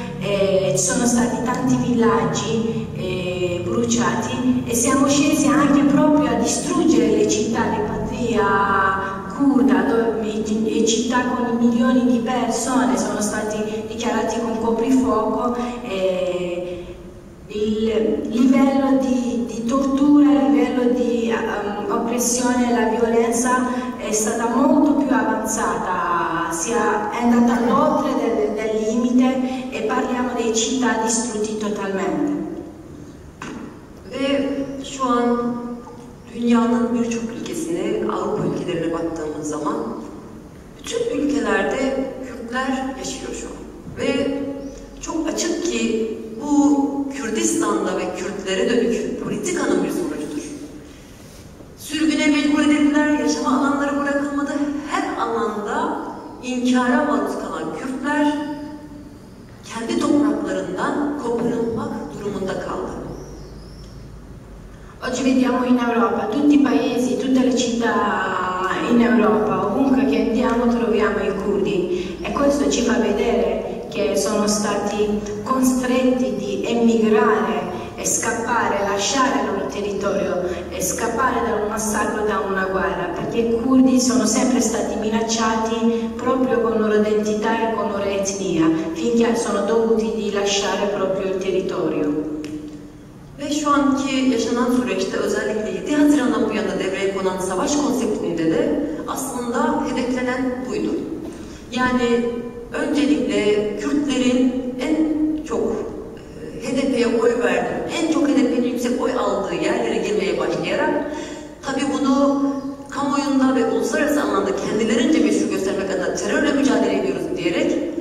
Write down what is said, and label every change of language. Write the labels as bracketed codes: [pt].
[it] Ci sono stati tanti villaggi bruciati e siamo scesi anche proprio a distruggere le città, le patria curda, le città con milioni di persone sono stati dichiarati con coprifuoco, il livello di tortura, il livello di oppressione e la violenza è stata molto più avanzata, è andata oltre del limite e parliamo di città distrutte totalmente. [tr] E şu an dünyanın birçok ülkesine, Avrupa ülkelerine baktığımız zaman bütün ülkelerde Kürtler yaşıyor şu an. Ve çok açık ki bu Kürdistan Kürdistan'da ve Kürtlere dönük politikanın bir sonucudur. Sürgüne mecbur edildiler, yaşama alanları bırakılmadı. Her alanda inkara maruz kalan Kürtler kendi topraklarından koparılmak durumunda kaldı. [it] Oggi vediamo in Europa tutti i paesi, tutte le città in Europa, ovunque che andiamo troviamo i curdi e questo ci fa vedere che sono stati costretti di emigrare e scappare, lasciare il loro territorio e scappare da un massacro, da una guerra, perché i curdi sono sempre stati minacciati proprio con loro identità e con loro etnia, finché sono dovuti di lasciare proprio il territorio. [tr] Ve şu anki yaşanan süreçte özellikle 7 Haziran'dan bu yana devreye konan savaş konseptinde de aslında hedeflenen buydu. Yani öncelikle Kürtlerin en çok HDP'ye oy verdiği, en çok HDP'nin yüksek oy aldığı yerlere girmeye başlayarak tabii bunu kamuoyunda ve uluslararası anlamda kendilerince meşru göstermek adına terörle mücadele ediyoruz diyerek